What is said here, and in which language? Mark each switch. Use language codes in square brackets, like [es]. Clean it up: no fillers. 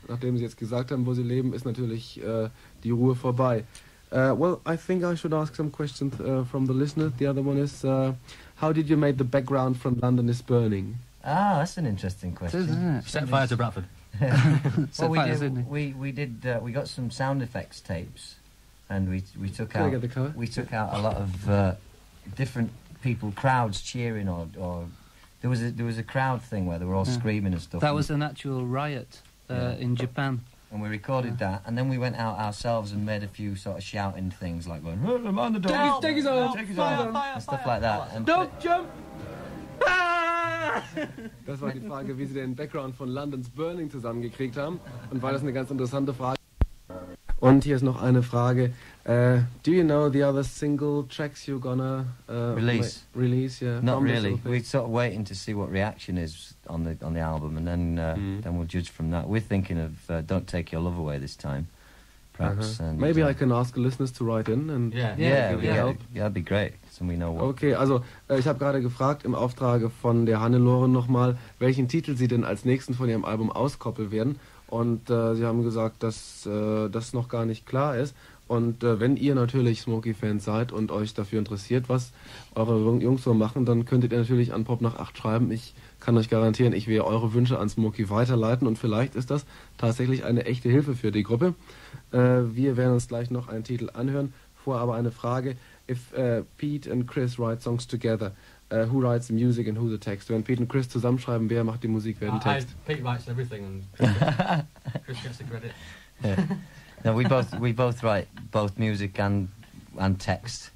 [de] Nachdem Sie jetzt gesagt haben, wo Sie leben, ist natürlich die Ruhe vorbei. [en] I think I should ask some questions from the listener. The other one is, how did you make the background from London is Burning? Ah, that's an interesting question. Set fire to Bradford. We got some sound effects tapes, and we took out a lot of different people, crowds cheering or there was a crowd thing where they were all screaming and stuff. That was an actual riot in Japan. And we recorded that, and then we went out ourselves and made a few sort of shouting things like going, "I'm on the door, take his arm, and stuff like that." Don't jump. [de] Das war die Frage, wie Sie den Background von London's Burning zusammengekriegt haben. Und weil das eine ganz interessante Frage. Und hier ist noch eine Frage. [en] Do you know the other single tracks you're gonna release? Release, yeah. Not really. We're sort of waiting to see what reaction is on the album, and then we'll judge from that. We're thinking of Don't Take Your Love Away this time, perhaps. Uh-huh. And maybe I can ask listeners to write in and help. Yeah, that'd be great. So we know what. [de] Okay, also ich habe gerade gefragt im Auftrage von der Hannelore nochmal, welchen Titel Sie denn als nächsten von Ihrem Album auskoppeln werden. Und Sie haben gesagt, dass das noch gar nicht klar ist. Und wenn ihr natürlich Smokie-Fans seid und euch dafür interessiert, was eure Jungs so machen, dann könntet ihr natürlich an Pop nach 8 schreiben. Ich kann euch garantieren, ich werde eure Wünsche an Smokie weiterleiten und vielleicht ist das tatsächlich eine echte Hilfe für die Gruppe. Wir werden uns gleich noch einen Titel anhören. Vorher aber eine Frage. [en] If Pete and Chris write songs together, who writes the music and who the text? When [de] Pete and Chris zusammenschreiben, wer macht die Musik, wer den Text? [en] Pete writes everything and Chris gets the credit. Yeah. No, we both write both music and text.